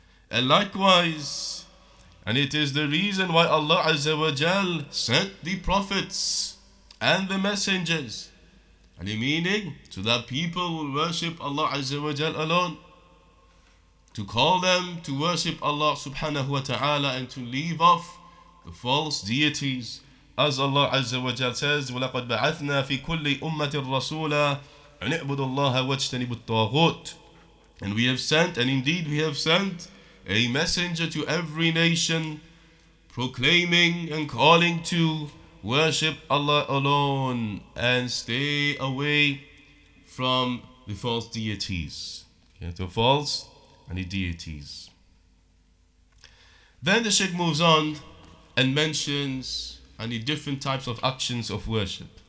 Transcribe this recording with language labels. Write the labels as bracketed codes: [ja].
[en] And likewise, and it is the reason why Allah Azza wa Jal sent the prophets and the messengers, and the meaning so that people will worship Allah Azza wa Jal alone, to call them to worship Allah subhanahu wa ta'ala and to leave off the false deities. As Allah Azza wa Jal says, [ar] وَلَقَدْ بَعَثْنَا فِي كُلِّ أُمَّةٍ رَسُولًا أَنِعْبُدُ اللَّهَ وَاجْتَنِبُ الطَّاغُوتِ. [en] And we have sent, and indeed we have sent, a messenger to every nation, proclaiming and calling to worship Allah alone and stay away from the false deities. Okay, the false and the deities. Then the Sheikh moves on and mentions any different types of actions of worship.